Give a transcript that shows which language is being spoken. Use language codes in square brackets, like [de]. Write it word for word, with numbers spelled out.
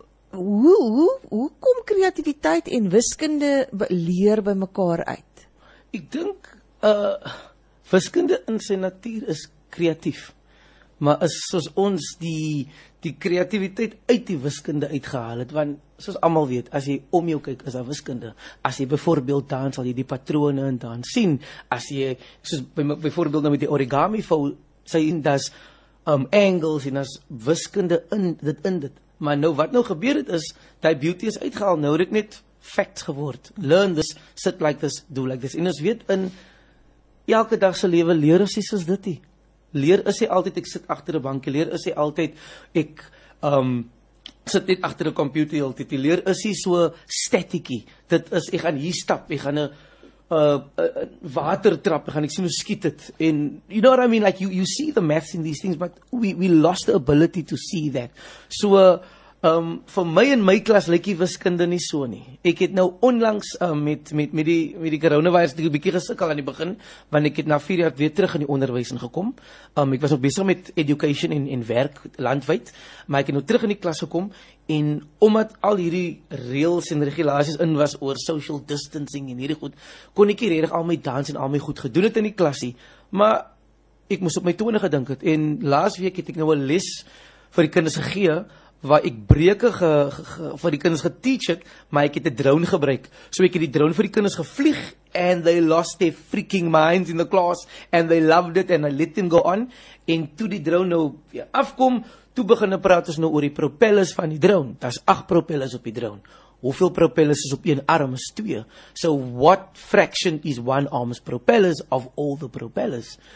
[af] Hoe, hoe, hoe kom kreatiwiteit en wiskunde leer by mekaar uit? Ek dink, uh, wiskunde in sy natuur is kreatief. Maar is soos ons die, die kreatiwiteit uit die wiskunde uitgehaal het, want soos almal weet, as jy om jou kyk, is daar wiskunde. As jy byvoorbeeld dans, sal jy die patrone in dans sien. As jy, soos by, byvoorbeeld nou met die origami vou, sien dat um, angles en as wiskunde in dit in dit. Maar nou wat nou gebeur het is, die beauty is uitgehaal, nou het dit net facts geword. [en] Learn this, sit like this, do like this. [af] En ons weet in elke dag se lewe leer ons nie soos dit nie. Leer is hy altyd, ek sit agter 'n bankie, leer is hy altyd, ek um, sit net agter 'n computer altyd. Leer is hy so statiekie. Dit is, ek gaan hier stap, ek gaan 'n uh, uh, watertrap, ek gaan ek sien hoe skiet dit. [en] En you know what I mean, like you, you see the maths in these things, but we, we lost the ability to see that. [af] So, uh, Um, vir my en my klas lyk die wiskunde nie so nie. Ek het nou onlangs um, met, met, met die, met die coronavirus die bykie gesukkel aan die begin, want ek het na vier jaar weer terug in die onderwijs ingekom. Um, ek was nog besig met education en, en werk landwyd, maar ek het nou terug in die klas gekom, en omdat al hierdie reëls en regulasies in was oor social distancing en hierdie goed, kon ek hier redig al my dans en al my goed gedoen het in die klasie, maar ek moes op my tone gedink het, en laas week het ek nou 'n les vir die kinders gegee, waar ek breuke ge, ge, ge, vir die kinders geteach het, maar ek het 'n drone gebruik. So ek het die drone vir die kinders gevlieg, [en] and they lost their freaking minds in the class, and they loved it, and I let them go on. [af] En toe die drone nou ja, afkom, toe beginne praat ons nou oor die propellers van die drone. Daar's agt propellers op die drone. Hoeveel propellers is op een arm is twee? [en] So what fraction is one arm's propellers of all the propellers?